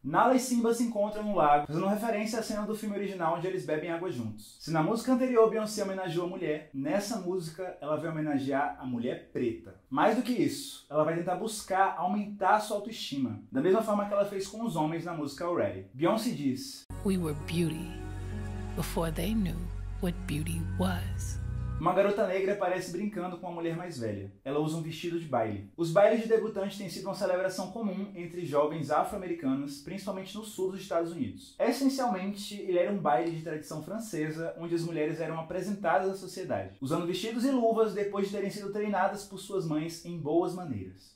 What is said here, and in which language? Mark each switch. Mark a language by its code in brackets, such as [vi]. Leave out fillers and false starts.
[pt] Nala e Simba se encontram no lago, fazendo referência à cena do filme original onde eles bebem água juntos. Se na música anterior Beyoncé homenageou a mulher, nessa música ela vai homenagear a mulher preta. Mais do que isso, ela vai tentar buscar aumentar sua autoestima, da mesma forma que ela fez com os homens na música Already. Beyoncé diz: [en] "We were beauty before they knew what beauty was." [pt] Uma garota negra aparece brincando com uma mulher mais velha. Ela usa um vestido de baile. Os bailes de debutantes têm sido uma celebração comum entre jovens afro-americanos, principalmente no sul dos Estados Unidos. Essencialmente, ele era um baile de tradição francesa, onde as mulheres eram apresentadas à sociedade, usando vestidos e luvas depois de terem sido treinadas por suas mães em boas maneiras.